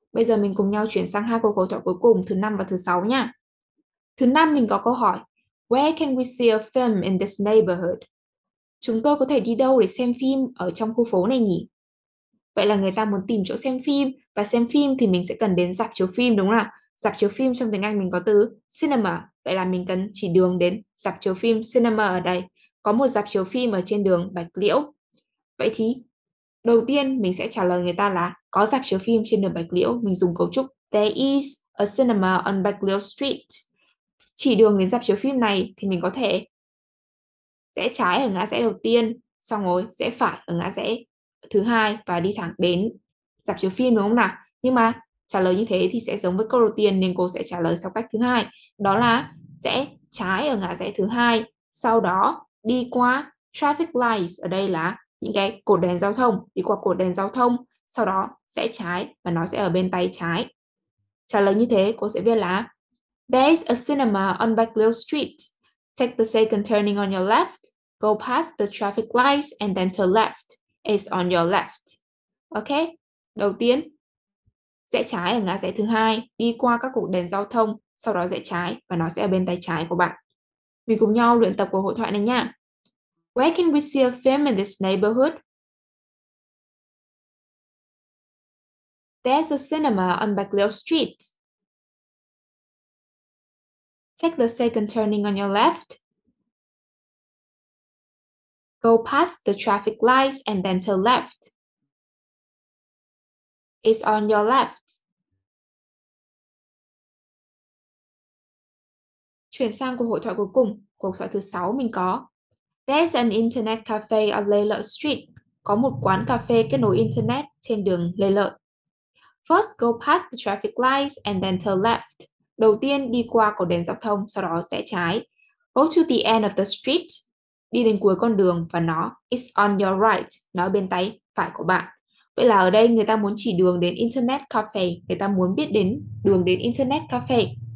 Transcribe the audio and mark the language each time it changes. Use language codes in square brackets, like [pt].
[vi] Bây giờ mình cùng nhau chuyển sang hai cuộc hội thoại cuối cùng, thứ 5 và thứ 6 nha. Thứ 5 mình có câu hỏi. [en] Where can we see a film in this neighborhood? [vi] Chúng tôi có thể đi đâu để xem phim ở trong khu phố này nhỉ? Vậy là người ta muốn tìm chỗ xem phim và xem phim thì mình sẽ cần đến rạp chiếu phim đúng không ạ? Rạp chiếu phim trong tiếng Anh mình có từ cinema. Vậy là mình cần chỉ đường đến rạp chiếu phim cinema ở đây. Có một rạp chiếu phim ở trên đường Bạch Liễu. Vậy thì đầu tiên mình sẽ trả lời người ta là có rạp chiếu phim trên đường Bạch Liễu. Mình dùng cấu trúc [en] There is a cinema on Bạch Liễu Street. [vi] Chỉ đường đến rạp chiếu phim này thì mình có thể rẽ trái ở ngã rẽ đầu tiên, xong rồi rẽ phải ở ngã rẽ thứ hai và đi thẳng đến rạp chiếu phim, đúng không nào? Nhưng mà trả lời như thế thì sẽ giống với câu đầu tiên nên cô sẽ trả lời sau cách thứ hai. Đó là rẽ trái ở ngã rẽ thứ hai, sau đó đi qua traffic lights, ở đây là những cái cột đèn giao thông, đi qua cột đèn giao thông, sau đó rẽ trái và nó sẽ ở bên tay trái. Trả lời như thế cô sẽ viết là [en] there is a cinema on Backlill Street. Take the second turning on your left, go past the traffic lights and then turn left. It's on your left. [vi] Ok, đầu tiên, rẽ trái ở ngã rẽ thứ hai, đi qua các cột đèn giao thông, sau đó rẽ trái và nó sẽ ở bên tay trái của bạn. Mình cùng nhau luyện tập của hội thoại này nha. [en] Where can we see a film in this neighborhood? There's a cinema on Backlill Street. Take the second turning on your left. Go past the traffic lights and then turn left. It's on your left. [vi] Chuyển sang cuộc hội thoại cuối cùng, cuộc thoại thứ 6 mình có. [en] There's an internet cafe on Laylock Street. [vi] Có một quán cà phê kết nối internet trên đường Lê Lợi. [en] First, go past the traffic lights and then turn left. [vi] Đầu tiên, đi qua cột đèn giao thông, sau đó rẽ trái. [en] Go to the end of the street. [vi] Đi đến cuối con đường và nó, [en] it's on your right, [vi] nó bên tay phải của bạn. Vậy là ở đây người ta muốn chỉ đường đến internet cafe, người ta muốn biết đến đường đến internet cafe.